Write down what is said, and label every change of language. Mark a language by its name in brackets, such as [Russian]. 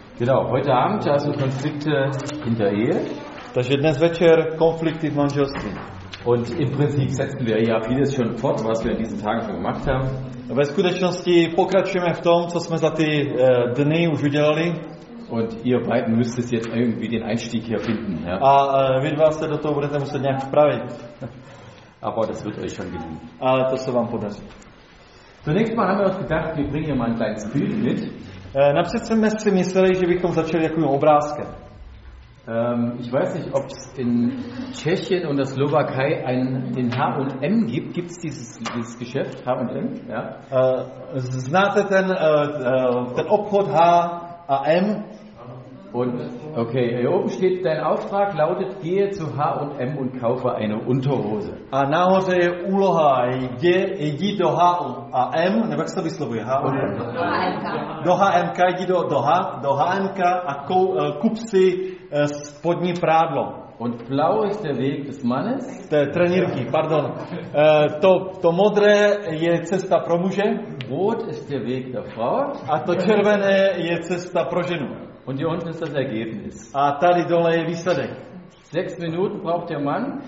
[German] Genau, heute Abend also Konflikte in der Ehe. [Czech] Takže dnes večer konflikty v manželství. [German] Und im Prinzip setzen wir ja vieles schon fort, was wir in diesen Tagen schon gemacht haben. [Czech] Ve skutečnosti pokračujeme v tom, co jsme za ty dny už udělali. [German] Und ihr beiden müsstet jetzt irgendwie den Einstieg hier finden. Ja. [Czech] A vy dva se do toho budete muset nějak vpravit. [German] Aber das wird euch schon gelingen. [Czech] Ale to se vám podaří. [German] Zunächst mal haben wir uns gedacht, wir bringen hier mal ein kleines Bild mit. [Czech] Napřed jsme si mysleli, že bychom začali jakým obrázkem. [German] Ich weiß nicht, ob es in Tschechien und der Slowakei den H&M gibt. Gibt es dieses Geschäft, H&M? [Czech] Ja. Znáte ten obchod H&M? [German] Und, okay, hier oben steht, dein Auftrag lautet, gehe zu H&M und kaufe eine Unterhose. [Czech] A nahoře je úloha, jdi do H&M, nebo jak se to vyslovuje, H&M? Do H&M. Do H&M a kup si spodní prádlo. [German] Und blau ist der Weg des Mannes. [Czech] Té trenírky, pardon. To modré je cesta pro muže. [German] Rot ist der Weg der Frau. [Czech] A to červené je cesta pro ženu. [German] Und hier unten ist das Ergebnis. [Czech] A tady dole je výsledek. [German] 6 Minuten braucht der Mann.